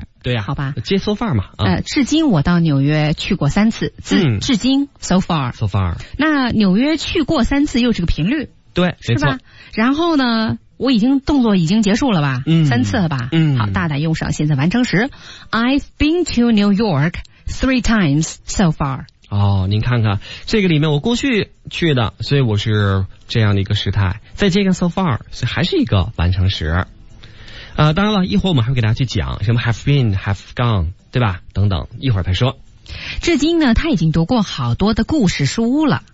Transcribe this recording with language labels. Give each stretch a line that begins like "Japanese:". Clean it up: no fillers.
Chinese: 啊、对呀、啊。好吧。接
English: so far
Chinese: 嘛。啊、至今我到纽约去过三次，至今
English: so far。 so far。
Chinese: 那纽约去过三次又是个频率。对，是吧？然后呢，我已经动作已经结束了吧？嗯。三次了吧？嗯。好，大胆用上现在完成时。
English: I've been to New York three times so far。
Chinese: 哦，您看看这个里面我过去去的，所以我是这样的一个时态，再接个
English: so far，
Chinese: 所以还是一个完成时。当然了，一会儿我们还会给大家去讲什么
English: have been have gone
Chinese: 对吧，等等，一会儿再说。至今呢，他已经读过好多的故事书了。